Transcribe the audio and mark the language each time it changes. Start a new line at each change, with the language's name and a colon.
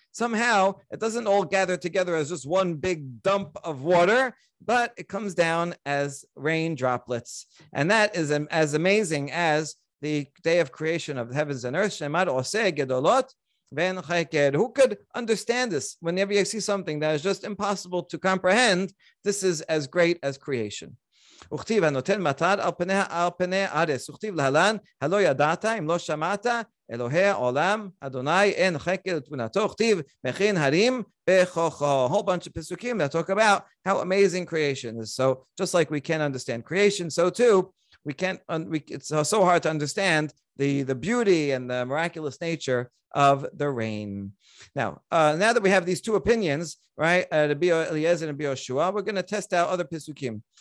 English: Somehow, it doesn't all gather together as just one big dump of water, but it comes down as rain droplets. And that is as amazing as the day of creation of the heavens and earth.
Hebrew: Shemar oseh gedolot ven chayked.
English: Who could understand this? Whenever you see something that is just impossible to comprehend, this is as great as creation.
Hebrew: וכתיב הנותן מטר על פני ארץ, וכתיב להלן, הלא ידעת אם לא שמעת, אלוהי העולם, אדוני, אין חקר לתבונתו, וכתיב מכין הרים בכוחו.
English: A whole bunch of פסוקים that talk about how amazing creation is. So just like we can't understand creation, so too, it's so hard to understand the beauty and the miraculous nature of the rain. Now that we have these two opinions, right, Rabbi Eliezer and Rabbi Yoshua, we're going to test out other pesukim.